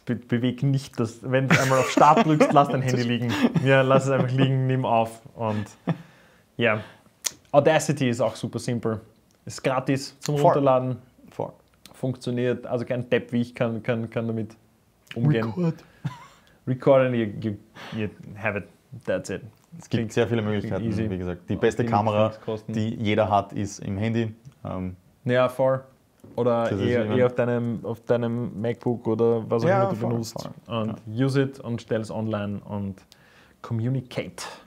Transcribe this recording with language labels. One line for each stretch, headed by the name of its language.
German: Beweg nicht das, wenn du einmal auf Start drückst, lass dein Handy liegen. Ja, lass es einfach liegen, nimm auf. Und ja, Audacity ist auch super simpel. Ist gratis zum Runterladen. Funktioniert, also kein Depp wie ich kann damit umgehen.
English: Record and you have it, that's it.
German: Es gibt sehr viele Möglichkeiten, easy. Wie gesagt. Die beste Kamera, die jeder hat, ist im Handy. Ja, voll. Oder eher auf deinem MacBook oder was auch immer du benutzt. Und
English: use it
German: und stell es online und
English: communicate.